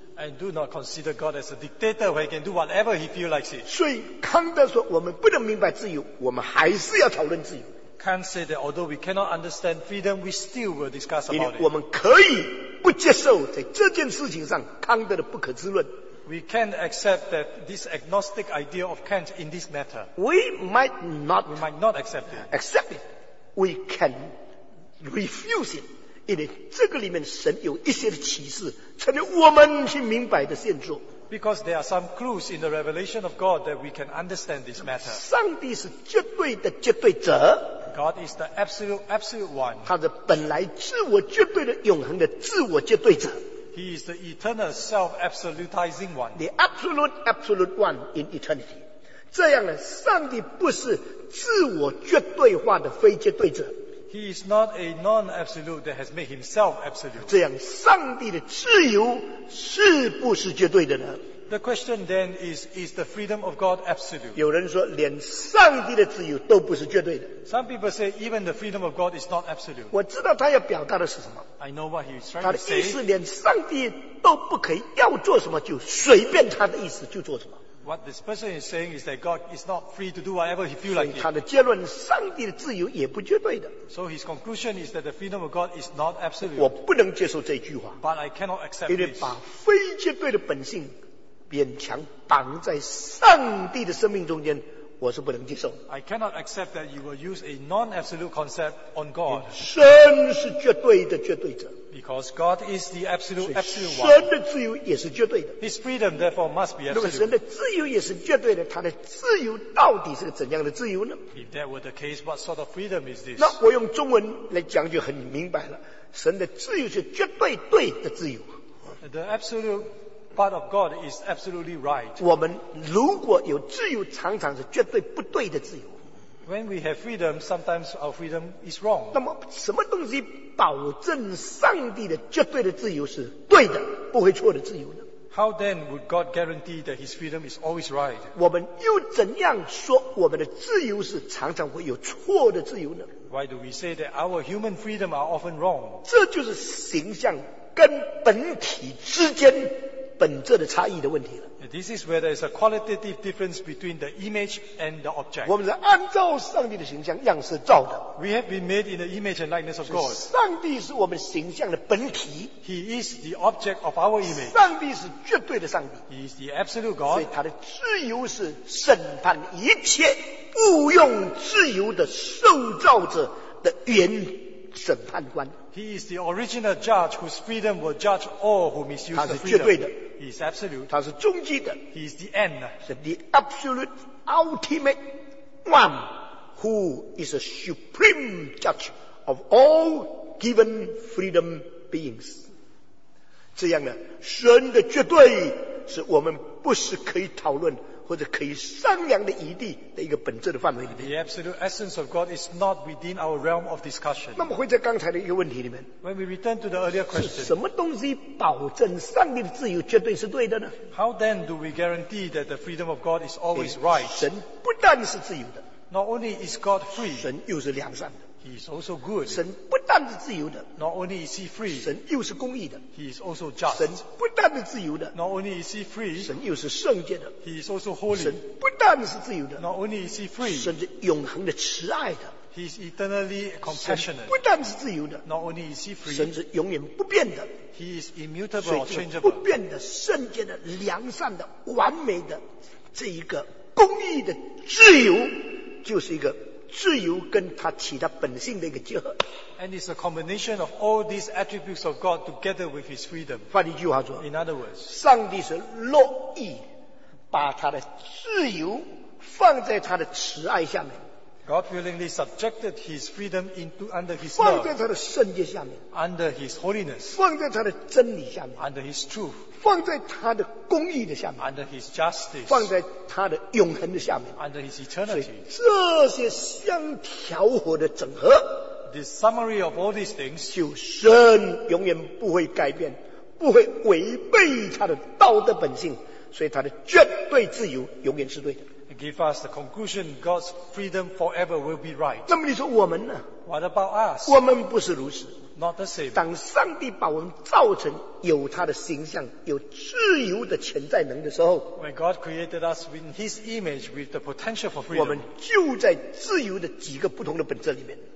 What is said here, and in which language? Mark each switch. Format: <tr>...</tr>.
<en>And do not consider God as a dictator where he can do whatever he feels like.</en> <zh>所以康德说，我们不能明白自由，我们还是要讨论自由。</zh> <en>Kant said that although we cannot understand freedom, we still will discuss about it.</en> <zh>我们可以不接受在这件事情上康德的不可知论。</zh> <en>We can accept that this agnostic idea of Kant in this matter. We might not accept it. Accept it. We can refuse it.</en> <zh>因为这个里面神有一些的启示成为我们去明白的线索</zh> <en>because there are some clues in the revelation of God that we can understand this matter</en> <zh>上帝是绝对的绝对者</zh> <en>God is the absolute one</en> <zh>他的本来自我绝对的永恒的自我绝对者</zh> <en>He is the eternal self-absolutizing one the absolute one in eternity</en> <zh>这样呢上帝不是自我绝对化的非绝对者</zh> <en>He is not a non-absolute that has made himself absolute.</en> <zh>这样，上帝的自由是不是绝对的呢？</zh> <en>The question then is the freedom of God absolute?</en> <zh>有人说，连上帝的自由都不是绝对的。</zh> <en>Some people say even the freedom of God is not absolute.</en> <zh>我知道他要表达的是什么。</zh> <en>I know what he is trying to say.</en> <zh>他的意思，连上帝都不可以，要做什么就随便他的意思就做什么。</zh> <en>What this person is saying is that God is not free to do whatever he feels like.</en> <zh>他的结论，上帝的自由也不绝对的。</zh> <en>So his conclusion is that the freedom of God is not absolute.</en> <zh>我不能接受这句话。</zh> <en>But I cannot accept this.</en> <zh>因为把非绝对的本性勉强绑在上帝的生命中间，我是不能接受。</zh> <en>I cannot accept that you will use a non-absolute concept on God.</en> <zh>神是绝对的绝对者。</zh> <en>Because God is the absolute one.</en> <zh>神的自由也是绝对的。</zh> <en>His freedom therefore must be absolute.</en> <zh>如果神的自由也是绝对的，他的自由到底是个怎样的自由呢？</zh> <en>If that were the case, what sort of freedom is this?</en> <zh>那我用中文来讲就很明白了，神的自由是绝对对的自由。</zh> <en>The absolute part of God is absolutely right.</en> <zh>我们如果有自由，常常是绝对不对的自由。</zh> <en>When we have freedom, sometimes our freedom is wrong.</en> <zh>那么什么东西保证上帝的绝对的自由是对的，不会错的自由呢？</zh> <en>How then would God guarantee that His freedom is always right?</en> <zh>我们又怎样说我们的自由是常常会有错的自由呢？</zh> <en>Why do we say that our human freedom are often wrong?</en> <zh>这就是形象跟本体之间本质的差异的问题了。</zh> <en>This is where there is a qualitative difference between the image and the object.</en> <zh>我们是按照上帝的形象样式造的。</zh> <en>We have been made in the image and likeness of God.</en> <zh>上帝是我们形象的本体。</zh> <en>He is the object of our image.</en> <zh>上帝是绝对的上帝。</zh> <en>He is the absolute God.</en> <zh>所以他的自由是审判一切不用自由的受造者的原审判官。</zh> <en>He is the original judge whose freedom will judge all who misuse the freedom.</en> <zh>他是绝对的。</zh> <en>He is absolute.</en> <zh>他是终极的。</zh> <en>He is the end. 是 the absolute ultimate one who is a supreme judge of all given freedom beings.</en> <zh>这样呢，神的绝对是我们不是可以讨论或者可以商量的余地的一个本质的范围里面。</zh> <en>The absolute essence of God is not within our realm of discussion.</en> <zh>那么回在刚才的一个问题里面。</zh> <en>When we return to the earlier question.</en> <zh>是什么东西保证上帝的自由绝对是对的呢？</zh> <en>How then do we guarantee that the freedom of God is always right?</en> <zh>神不但是自由的。</zh> <en>Not only is God free.</en> <zh>神又是良善的。</zh> <en>He is also good.</en> <zh>神不但是自由的。</zh> <en>Not only is he free.</en> <zh>神又是公义的。</zh> <en>He is also just.</en> <zh>神不但是自由的。</zh> <en>Not only is he free.</en> <zh>神又是圣洁的。</zh> <en>He is also holy.</en> <zh>神不但是自由的。</zh> <en>Not only is he free.</en> <zh>神是永恒的慈爱的。</zh> <en>He is eternally compassionate.</en> <zh>神不但是自由的。</zh> <en>Not only is he free.</en> <zh>神是永远不变的。</zh> <en>He is immutable, changeable.</en> <zh>不变的、圣洁的、良善的、完美的这一个公义的自由，就是一个。自由跟他其他本性的一个结合。</zh> <en>And it's a combination of all these attributes of God together with his freedom.</en> <zh>换一句话说。</zh> <en>In other words,</en> <zh>上帝是乐意把他的自由放在他的慈爱下面。</zh> <en>God willingly subjected his freedom into under his love.</en> <zh>放在他的圣洁下面,</zh> <en>under his holiness.</en> <zh>放在他的真理下面,</zh> <en>under his truth.</en> <zh>放在他的公义的下面,</zh> <en>under his justice.</en> <zh>放在他的永恒的下面,</zh> <en>under his eternity.</en> <zh>这些相调和的整合,</zh> <en>the summary of all these things,</en> <zh>就神永远不会改变, 不会违背他的道德本性, 所以他的绝对自由永远是对的。</zh> <en>Give us the conclusion, God's freedom forever will be right.</en> <zh>那么你说我们呢?</zh> <en>What about us?</en> <zh>我们不是如此。</zh> <en>Not the same.</en> <zh>当上帝把我们造成有他的形象, 有自由的潜在能的时候,</zh> <en>when God created us in His image with the potential for freedom,</en> <zh>我们就在自由的几个不同的本质里面。</zh>